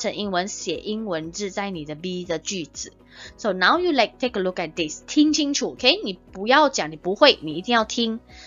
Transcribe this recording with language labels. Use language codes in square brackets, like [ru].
[zh] 所以不要抄华语字,把它换成英文,写英文字在你的B的句子。 [en] So now you like take a look at this, [zh] 听清楚, [en] OK? [zh] 你不要讲,你不会, 你一定要听。